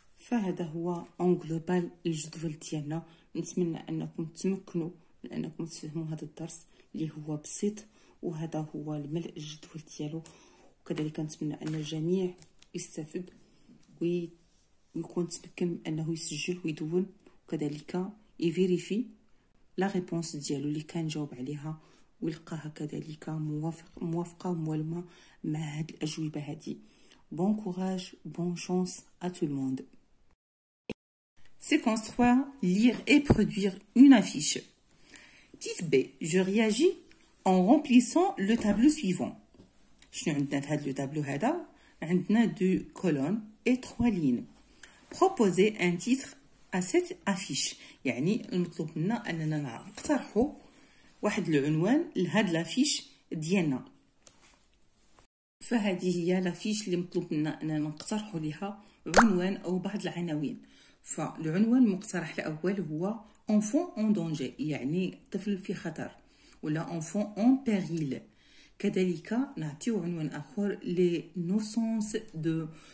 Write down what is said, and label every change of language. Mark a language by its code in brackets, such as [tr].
[ar] فهذا هو اون جلوبال الجدول ديالنا نتمنى انكم تمكنوا لانكم تفهموا هذا الدرس اللي هو بسيط وهذا هو الملء الجدول ديالو وكذلك نتمنى ان الجميع يستفد ويكون تمكن انه يسجل ويدون وكذلك يفيريفي لا ريبونس ديالو اللي كان جاوب عليها ويلقاها كذلك موافقه وملمه مع هذه الاجوبه هذه بون كوراج بون شانس ا تو الموند [fr] C'est construire, lire et produire une affiche. Titre B. Je réagis en remplissant le tableau suivant. Le tableau hada, [ar] عندنا [fr] deux colonnes et trois lignes. Proposer un titre à cette affiche. [ar] يعني نطلبنا أننا نقترحوا واحد العنوان لهذه الافيشه ديالنا. فهذه هي الافيشه اللي مطلوبنا أننا نقترحوا لها عنوان أو بعض العناوين. فالعنوان المقترح الأول هو [fr] enfant en danger [ar] يعني طفل في خطر ولا [fr] enfant en péril [ar] كذلك نعطيو عنوان آخر [fr] les naissances de